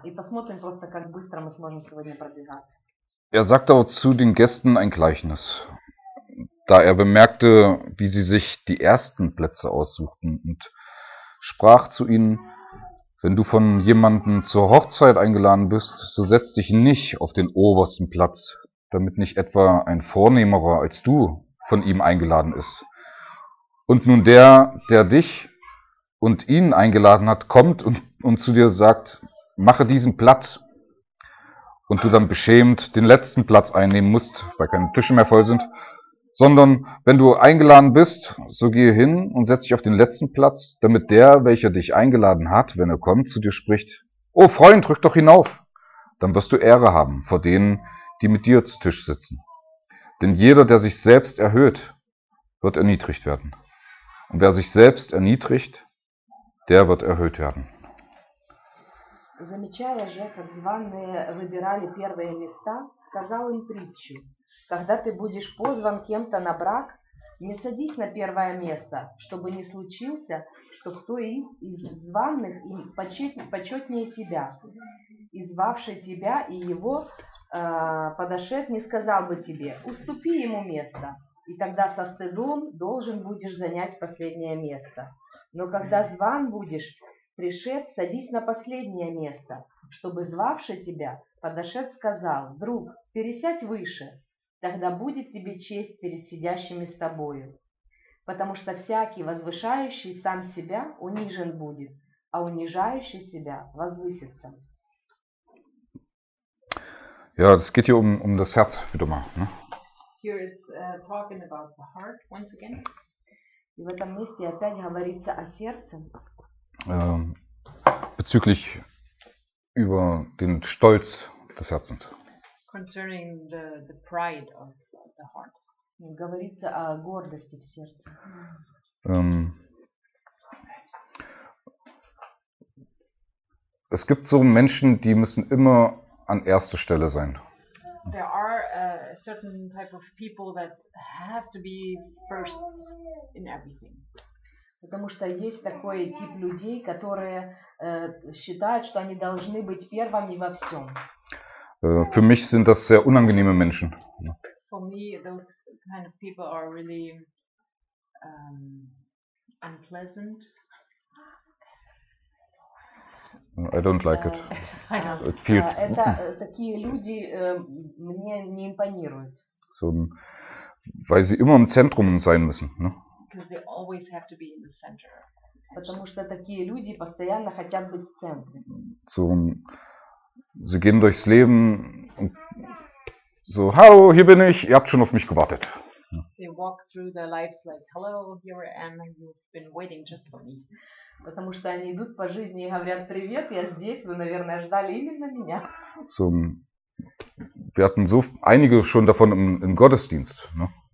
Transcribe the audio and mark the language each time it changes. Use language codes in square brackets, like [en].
[ru] И посмотрим просто, как быстро мы сможем сегодня продвигаться. [de] Er sagte auch zu den Gästen ein Gleichnis, da er bemerkte, wie sie sich die ersten Plätze aussuchten, und sprach zu ihnen: Wenn du von jemandem zur Hochzeit eingeladen bist, so setz dich nicht auf den obersten Platz, damit nicht etwa ein Vornehmerer als du von ihm eingeladen ist. Und nun der, der dich und ihn eingeladen hat, kommt und zu dir sagt: Mache diesen Platz. Und du dann beschämt den letzten Platz einnehmen musst, weil keine Tische mehr voll sind. Sondern wenn du eingeladen bist, so gehe hin und setz dich auf den letzten Platz, damit der, welcher dich eingeladen hat, wenn er kommt, zu dir spricht: O Freund, rück doch hinauf! Dann wirst du Ehre haben vor denen, die mit dir zu Tisch sitzen. Denn jeder, der sich selbst erhöht, wird erniedrigt werden. Und wer sich selbst erniedrigt, der wird erhöht werden. [ru] Замечая же, как званые выбирали первые места, сказал им притчу: Когда ты будешь позван кем-то на брак, не садись на первое место, чтобы не случился, что кто из званых им почетнее тебя. И звавший тебя и его подошед не сказал бы тебе: Уступи ему место, и тогда со стыдом должен будешь занять последнее место. Но когда зван будешь, пришед, садись на последнее место, чтобы звавший тебя подошед сказал: Друг, пересядь выше, тогда будет тебе честь перед сидящими с тобою. Потому что всякий, возвышающий сам себя, унижен будет, а унижающий себя возвысится. [de] Ja, das geht hier um das Herz, wie du machst, ne? [en] Here it's talking about the heart once again. [ru] И в этом месте опять говорится о сердце. [de] Bezüglich über den Stolz des Herzens. [en] Concerning the pride of the heart. [ru] Говорится о гордости в сердце. [de] Es gibt so Menschen, die müssen immer an erster Stelle sein. [en] There are a certain type of people that have to be first in everything. [ru] Потому что есть такой тип людей, которые считают, что они должны быть первыми во всем. [de] Für mich sind das sehr unangenehme Menschen. [en] For me, those kind of people are really unpleasant. I don't like it. It feels... [ru] Это такие люди мне не импонируют. [de] So, weil sie immer im Zentrum sein müssen, ne? [en] Because they always have to be in the center. [ru] Потому что такие люди постоянно хотят быть в центре. [de] So, sie gehen durchs Leben und so, hallo, hier bin ich, ihr habt schon auf mich gewartet. [en] They walk through their lives like, hello, here I am, you've been waiting just for me. [ru] Потому что они идут по жизни и говорят: привет, я здесь, вы, наверное, ждали именно меня. [de] So, wir hatten so einige schon davon im Gottesdienst, ne?